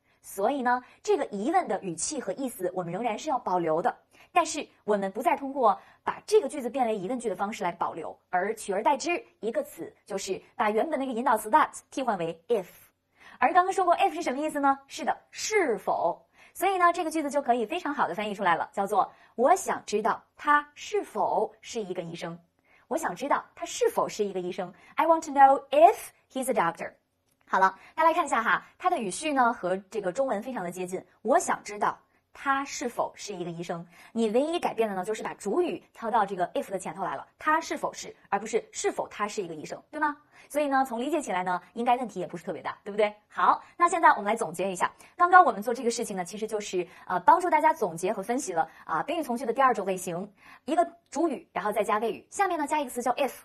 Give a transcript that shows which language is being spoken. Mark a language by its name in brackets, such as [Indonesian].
[Chinese] 所以呢这个疑问的语气和意思我们仍然是要保留的，但是我们不再通过把这个句子变为疑问句的方式来保留，而取而代之一个词，就是把原本那个引导词 that 替换为 if。 而刚刚说过 if 是什么意思呢？是的，是否。所以呢，这个句子就可以非常好的翻译出来了，叫做我想知道他是否是一个医生。我想知道他是否是一个医生。 [English] I want to know if he's a doctor。 [Chinese] 好了，大家来看一下哈，它的语序呢和这个中文非常的接近。我想知道他是否是一个医生。你唯一改变的呢，就是把主语跳到这个 if 的前头来了，他是否是，而不是是否他是一个医生，对吗？所以呢，从理解起来呢，应该问题也不是特别大，对不对？好，那现在我们来总结一下，刚刚我们做这个事情呢，其实就是帮助大家总结和分析了宾语从句的第二种类型，一个主语，然后再加谓语，下面呢加一个词叫 if。